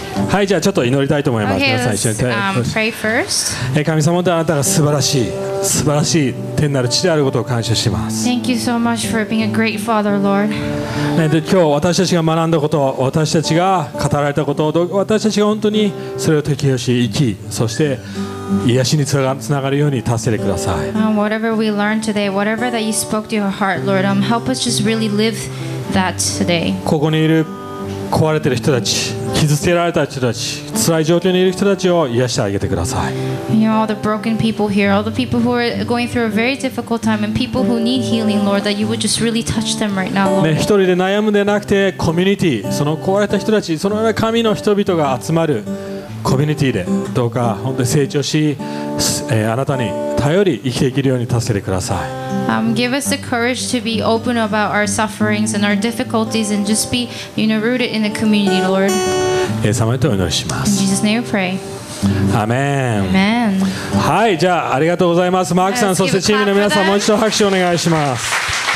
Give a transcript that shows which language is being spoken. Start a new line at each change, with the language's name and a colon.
Japanese: はい、じゃあちょっと祈りたいと思います。皆さん一緒に祈りたい。神様、あなたが素晴らしい素晴らしい天なる父であることを感謝します。
English: Thank you so much for being a great father, Lord.
Japanese: 今日私たちが学んだこと、私たちが語られたことを、私たちが本当にそれを適用し、生き、そして癒しにつながるように助けてください。
English: Whatever we learned today, whatever that you spoke to your heart, Lord, help us just really live that today.
Japanese: ここにいる壊れている人たち、傷つけられた人たち、辛い状況にいる人たちを癒してあげてください。
English: You know, all the broken people here, all the people who are going through a very difficult time, and people who need healing, Lord, that you would just really touch them right now, Lord.
Japanese: ね、一人で悩むんではなくて、コミュニティ、その壊れた人たち、そのような神の人々が集まるコミュニティでどうか本当に成長し、あなたに頼り生きていけるように助けてください。
English: Give us the courage to be open about our sufferings and our difficulties and just be, you know, rooted in the community, Lord.
Japanese: イエス様にとお祈りします。
English: In Jesus' name we pray. Amen. Amen.
Japanese: はい、じゃあありがとうございます。マークさん、そしてチームの皆さん、もう一度拍手お願いします。